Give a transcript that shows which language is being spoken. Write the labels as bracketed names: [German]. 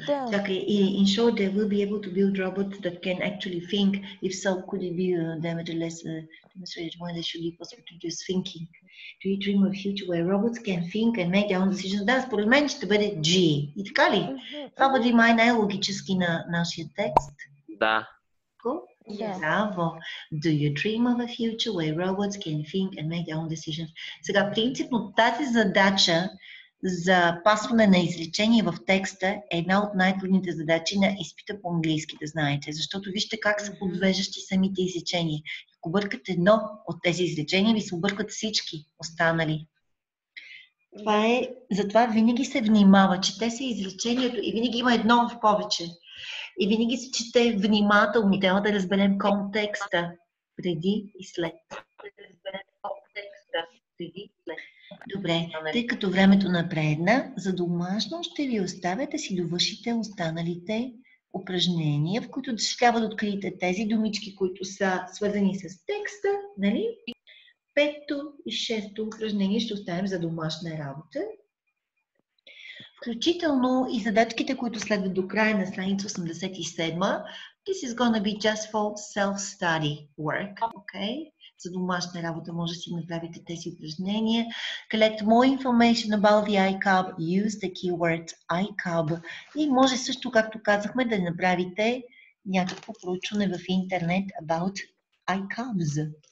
[English] Чакай, in short, they will be able to build robots that can actually think. If so, could it be nevertheless demonstrated when they should be possible to just thinking? Do you dream of a future where robots can think and make their own decisions? [Bulgarian] Да, според мен ще бъде G. И така ли? Това бъде май най-логически на нашия текст. Да. Браво. [English] Do you dream of a future where robots can think and make their own decisions? [Bulgarian] Сега, принципно, тази задача за пасване на изречение в текста е една от най-трудните задачи на изпита по английски, да знаете. Защото вижте как са подвеждащи самите изречения. Ако бъркате едно от тези изречения, ви се объркват всички останали. Това е... Затова винаги се внимава, чете се изречението и винаги има едно в повече. И винаги се чете внимателно. Трябва да разберем контекста преди и след. Добре, тъй като времето напредна, за домашно ще ви оставя да си довършите останалите упражнения, в които трябва да откриете тези думички, които са свързани с текста, нали? Петто и шесто упражнение ще оставим за домашна работа. Включително и задачките, които следват до края на страница 87. [English] This is gonna be just for self-study work. Okay. [Bulgarian] За домашна работа може да си направите тези упражнения. [English] Collect more information about the iCub. Use the keyword iCub. [Bulgarian] И може също, както казахме, да направите някакво проучване в интернет [English] about iCubs.